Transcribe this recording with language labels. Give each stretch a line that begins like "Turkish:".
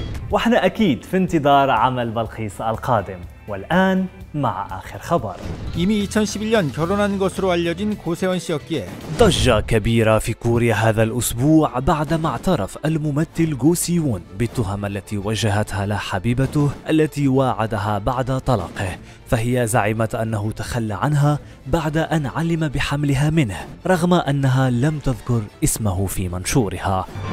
Arabic: وإحنا أكيد في انتظار عمل بلقيس القادم. والآن مع آخر خبر.
Korean: 이미 2011년 결혼한 것으로 알려진 고세원 씨였기에
Arabic: ضجة كبيرة في كوريا هذا الأسبوع بعدما اعترف الممثل جوسيون بالتهم التي وجهتها له حبيبته التي واعدها بعد طلاقه، فهي زعمت أنه تخلى عنها بعد أن علم بحملها منه رغم أنها لم تذكر اسمه في منشورها.